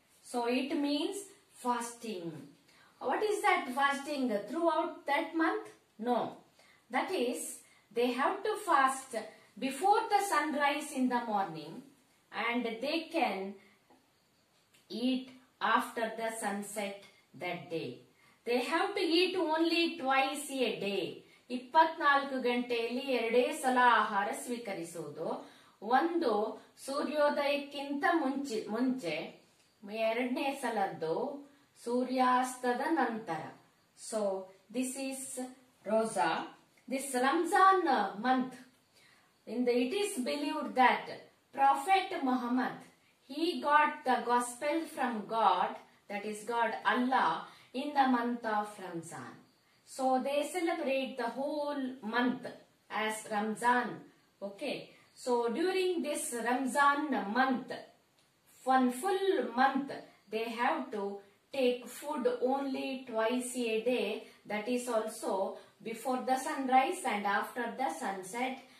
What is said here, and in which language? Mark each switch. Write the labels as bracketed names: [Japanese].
[English] So it means fasting. What is that fasting throughout that month? No. That is, they have to fast before the sunrise in the morning, and they can eat after the sunset that day. They have to eat only twice a day. [Kannada] 24 ಗಂಟೆಯಲ್ಲಿ ಎರಡೇ ಸಲ ಆಹಾರ ಸ್ವೀಕರಿಸುವುದು. ಒಂದು ಸೂರ್ಯೋದಯಕ್ಕಿಂತ ಮುಂಚೆ, ಎರಡನೇ ಸಲದ್ದು ಸೂರ್ಯಾಸ್ತದ ನಂತರ. [English] So this is roza. This Ramzan month in the it is believed that prophet Mohammed, he got the gospel from God, that is God Allah, in the month of Ramzan. So they celebrate the whole month as Ramzan. Okay. So during this Ramzan month, one full month, they have to take food only twice a day. That is also before the sunrise and after the sunset.